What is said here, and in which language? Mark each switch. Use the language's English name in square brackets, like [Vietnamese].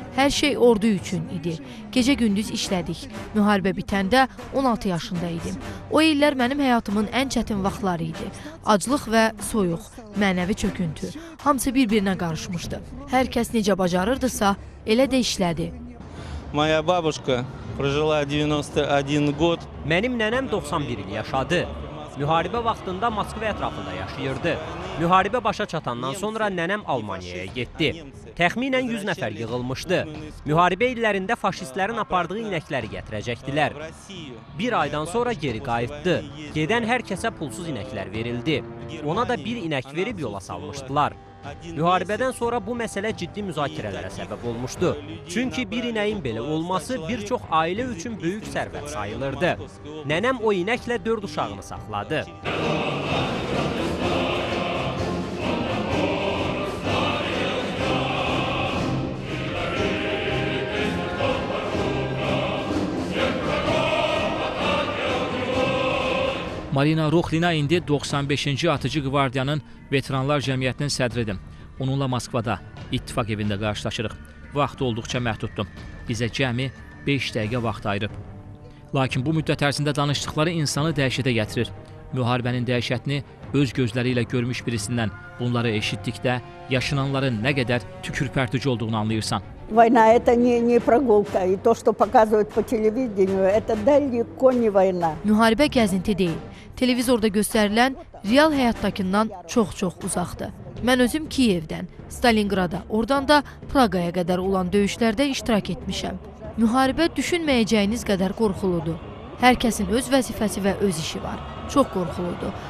[Azerbaijani] Hər şey ordu üçün idi. Gecə-gündüz işlədik. Müharibə bitəndə 16 yaşında idim. O illər mənim həyatımın ən çətin vaxtları idi. Aclıq və soyuq, mənəvi çöküntü. Hamısı bir-birinə qarışmışdı. Hər kəs necə bacarırdısa, elə də işlədi. [Russian] Моя бабушка прожила 91 год. [Azerbaijani] Mənim nənəm 91 il yaşadı. Müharibə vaxtında Moskva ətrafında yaşayırdı. Müharibə başa çatandan sonra nənəm Almaniyaya getdi. Təxminən 100 nəfər yığılmışdı. Müharibə illərində faşistlərin apardığı inəkləri gətirəcəkdilər. Bir aydan sonra geri qayıtdı. Gedən hər kəsə pulsuz inəklər verildi. Ona da bir inək verib yola salmışdılar. Müharibədən sonra bu məsələ ciddi müzakirələrə səbəb olmuşdu. Çünki bir inəyin belə olması bir çox ailə üçün böyük sərvət sayılırdı. Nənəm o inəklə 4 uşağını saxladı. Marina Ruhlina indi 95-ci Atıcı Qvardiyanın Veteranlar Cəmiyyətinin sədridir. Onunla Moskvada, İttifaq evində qarşılaşırıq. Vaxt olduqca məhduddur. Bizə cəmi 5 dəqiqə vaxt ayırıb. Lakin bu müddət ərzində danışdıqları insanı dəhşətə gətirir. Müharibənin dəhşətini öz gözləri ilə görmüş birisindən bunları eşitdikdə yaşananların nə qədər tükürpərtici olduğunu anlayırsan. [Russian] Война – это не прогулка, и то, что показывают по телевидению, это далеко не война. [Azerbaijani] Müharibə gəzinti deyil. Televizorda göstərilən real həyatdakından çox-çox uzaqdır. Mən özüm Kiyevdən, Stalingrada, oradan da Praqaya qədər olan döyüşlərdə iştirak etmişəm. Müharibə düşünməyəcəyiniz qədər qorxuludur. Hər kəsin öz vəzifəsi və öz işi var. Çox qorxuludur.